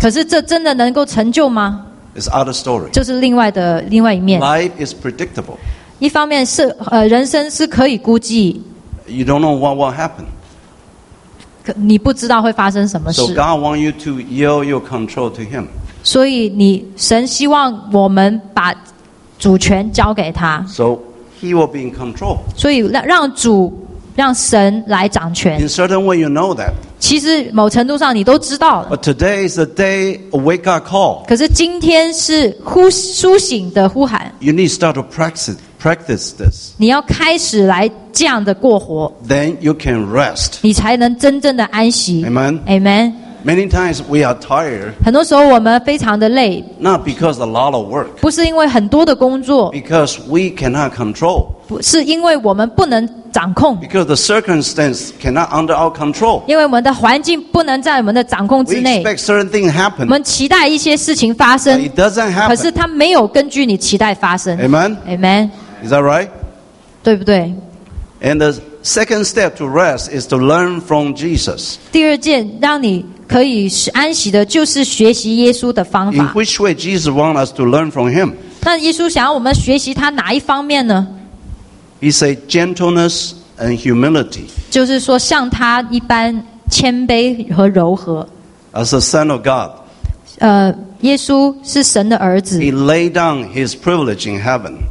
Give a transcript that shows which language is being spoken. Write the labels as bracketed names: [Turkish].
[Chinese] 可是这真的能够成就吗 [English] ？It's other story. [Chinese] 就是另外一面。 [English] Life is predictable. [Chinese] 一方面是人生是可以估计。 [English] You don't know what will happen. [Chinese] 你不知道会发生什么事。 [English] So God wants you to yield your control to Him. [Chinese] 所以你神希望我们把主权交给他。 [English] So He will be in control. [Chinese] 所以让神来掌权。 [English] In certain way, you know that. [Chinese] 其实某程度上你都知道。 [English] But today is the day a wake up call. [Chinese] 可是今天是苏醒的呼喊。 [English] You need to start to practice this. [Chinese] 你要开始来。这样的过活 [English] then you can rest. [Chinese] 你才能真正的安息 [English] Amen. Amen. Many times we are tired. [Chinese] 很多时候我们非常的累 [English] Not because a lot of work. [Chinese] 不是因为很多的工作 [English] Because we cannot control. [Chinese] 是因为我们不能掌控 [English] Because the circumstance cannot under our control. [Chinese] 因为我们的环境不能在我们的掌控之内 [English] We expect certain things happen. [Chinese] 我们期待一些事情发生 [English] But it doesn't happen. [Chinese] 可是它没有根据你期待发生 [English] Amen. Amen. Is that right? [Chinese] 对不对 [English] And the second step to rest is to learn from Jesus. [Chinese] 第二件让你可以安息的就是学习耶稣的方法。 [English] In which way Jesus wants us to learn from him? [Chinese] 那耶稣想要我们学习他哪一方面呢 [English] ？He said gentleness and humility. [Chinese] 就是说像他一般谦卑和柔和。 [English] As a son of God. [Chinese] 耶稣是神的儿子。 [English] He laid down his privilege in heaven.